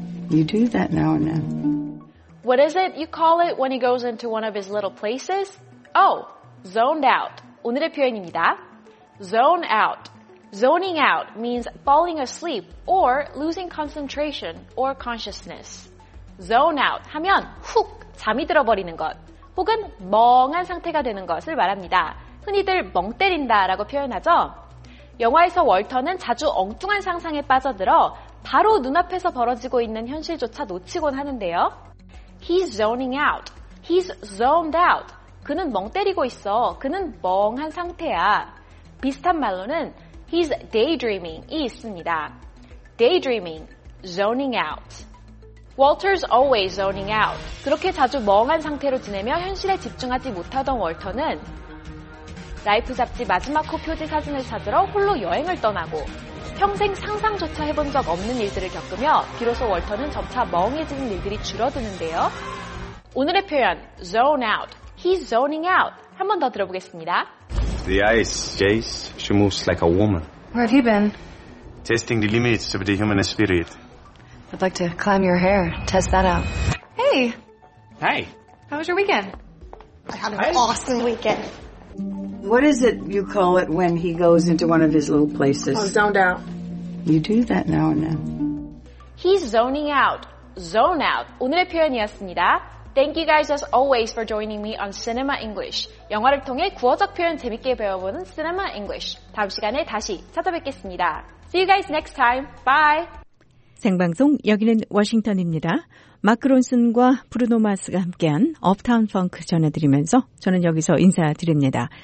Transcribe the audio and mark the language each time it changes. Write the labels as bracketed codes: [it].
[en] You do that now and then. What is it you call it when he goes into one of his little places? Oh, zoned out. [ko] 오늘의 표현입니다. [en] Zone out. Zoning out means falling asleep or losing concentration or consciousness. [ko] Zone out 하면 훅 잠이 들어버리는 것 혹은 멍한 상태가 되는 것을 말합니다. 흔히들 멍 때린다라고 표현하죠. 영화에서 월터는 자주 엉뚱한 상상에 빠져들어 바로 눈앞에서 벌어지고 있는 현실조차 놓치곤 하는데요. [en] He's zoning out. He's zoned out. [ko] 그는 멍 때리고 있어. 그는 멍한 상태야. 비슷한 말로는 [en] He's daydreaming. [ko] 이 있습니다. Daydreaming. Zoning out. [en] Walter's always zoning out. [ko] 그렇게 자주 멍한 상태로 지내며 현실에 집중하지 못하던 월터는 라이프 잡지 마지막 호 표지 사진을 찾으러 홀로 여행을 떠나고 평생 상상조차 해본 적 없는 일들을 겪으며 비로소 월터는 점차 멍해지는 일들이 줄어드는데요. 오늘의 표현 zone out. [en] He's zoning out. [ko] 한 번 더 들어보겠습니다. [en] The ice, Jace, she moves like a woman. Where have you been? Testing the limits of the human spirit. I'd like to climb your hair, test that out. Hey! Hey! How was your weekend? I had an awesome weekend. What is it you call it when he goes into one of his little places? Oh, zoned out. You do that now and then. He's zoning out. Zone out. [ko] 오늘의 표현이었습니다. [en] Thank you guys as always for joining me on Cinema English. [ko] 영화를 통해 구어적 표현 재밌게 배워보는 Cinema English. 다음 시간에 다시 찾아뵙겠습니다. [en] See you guys next time. Bye. [ko] 생방송 여기는 워싱턴입니다. 마크 론슨과 브루노 마스가 함께한 업타운 펑크 전해드리면서 저는 여기서 인사드립니다.